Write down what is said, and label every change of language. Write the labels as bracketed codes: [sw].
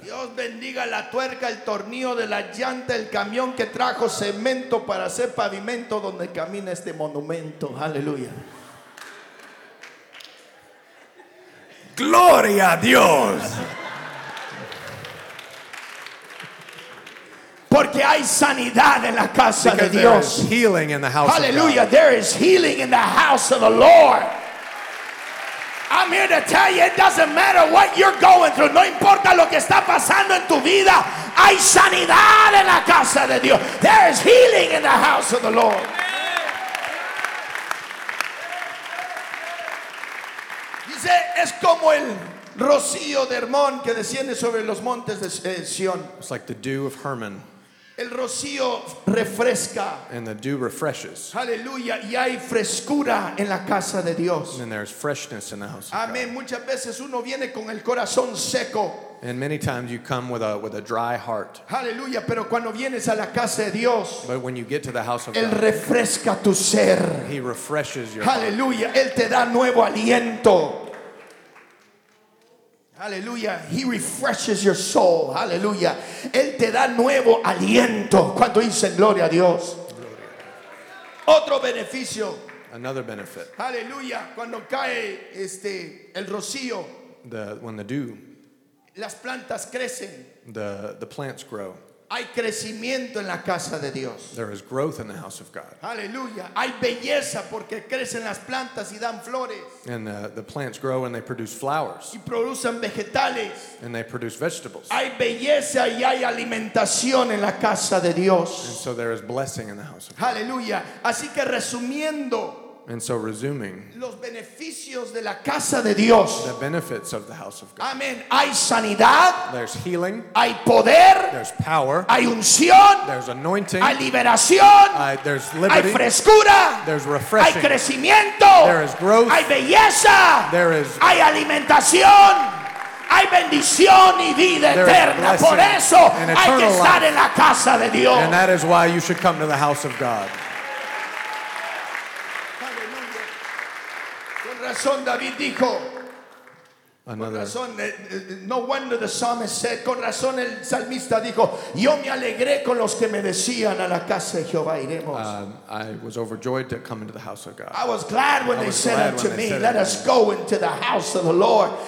[es] Dios bendiga la tuerca, el tornillo de la llanta, el camión que trajo cemento para hacer pavimento donde camina este monumento. [en] Hallelujah. [es] Gloria a Dios. Porque hay sanidad en la casa de Dios. [en] Healing in the house. Hallelujah. There is healing in the house of the Lord. I'm here to tell you, it doesn't matter what you're going through. [es] No importa lo que está pasando en tu vida. Hay sanidad en la casa de Dios. [en] There is healing in the house of the Lord. [es] Es como el rocío de Hermón que desciende sobre los montes de Sion. [en] It's like the dew of Hermon. [es] El rocío refresca. [en] And the dew refreshes. [es] Aleluya. Y hay frescura en la casa de Dios. [en] And there's freshness in the house of God. Amén. [es] Muchas veces uno viene con el corazón seco. [en] And many times you come with a dry heart. [es] Hallelujah, pero cuando vienes a la casa de Dios, [en] but when you get to the house of [es] Él [en] God, [es] refresca tu ser. [en] He refreshes your Hallelujah. Heart. [es] Hallelujah, Él te da nuevo aliento. [en] Hallelujah, He refreshes your soul. Hallelujah, [es] Él te da nuevo aliento. Cuando dicen gloria a Dios. Otro beneficio. [en] Another benefit. [es] Hallelujah, cuando cae el rocío. [en] When the dew. [es] Las plantas crecen. [en] The plants grow. [es] Hay crecimiento en la casa de Dios. [en] There is growth in the house of God. Hallelujah. [es] Hay belleza porque crecen las plantas y dan flores. [en] And the plants grow and they produce flowers. [es] Y producen vegetales. [en] And they produce vegetables. [es] Hay belleza y hay alimentación en la casa de Dios. [en] And so there is blessing in the house of God. [es] Hallelujah. Así que resumiendo. [en] And so resuming. [es] Los beneficios de la casa de Dios. [en] The benefits of the house of God. [es] Amen. Hay sanidad. [en] There's healing. [es] Hay poder. [en] There's power. [es] Hay unción. [en] There's anointing. [es] Hay liberación. [en] There's liberty. [es] Hay frescura. [en] There's refreshing. [es] Hay crecimiento. [en] There is growth. [es] Hay belleza. [en] There is. [es] Hay alimentación. Hay bendición y vida [en] there [es] eterna. Por eso hay que estar [en] life. [es] En la casa de Dios. [en] And that is why you should come to the house of God. [es] Con David dijo. [en] Another. [es] Con razón, [en] no wonder the psalmist said. [es] Con razón el salmista dijo. Yo me alegré con los que me decían a la casa de Jehová iremos. [en] I was overjoyed to come into the house of God. I was glad when they said unto me, "Let us go into the house of the Lord."